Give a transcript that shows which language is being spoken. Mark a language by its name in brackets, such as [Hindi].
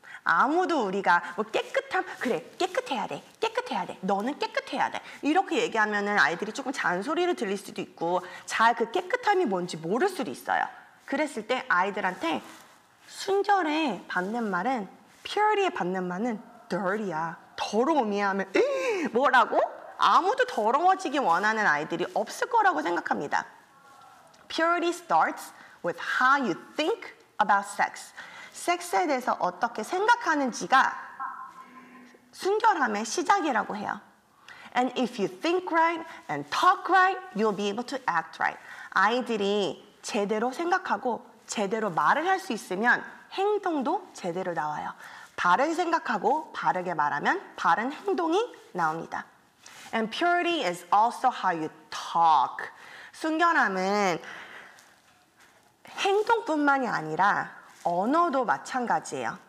[Korean] 아무도 우리가 뭐 깨끗함, 그래 깨끗해야 돼, 깨끗해야 돼, 너는 깨끗해야 돼 이렇게 얘기하면은 아이들이 조금 잔소리를 들릴 수도 있고 잘 그 깨끗함이 뭔지 모를 수도 있어요. 그랬을 때 아이들한테 순결의 반대말은 purity의 반대말은 dirty야, 더러움이야 하면 뭐라고? 아무도 더러워지기 원하는 아이들이 없을 거라고 생각합니다. [English] Purity starts with how you think about sex. [Korean] 섹스에 대해서 어떻게 생각하는지가 순결함의 시작이라고 해요. [English] And if you think right and talk right, you'll be able to act right. [Korean] 아이들이 제대로 생각하고 제대로 말을 할 수 있으면 행동도 제대로 나와요. 바르게 생각하고 바르게 말하면 바른 행동이 나옵니다. [English] And purity is also how you talk. [Korean] 순결함은 행동뿐만이 아니라 언어도 마찬가지예요.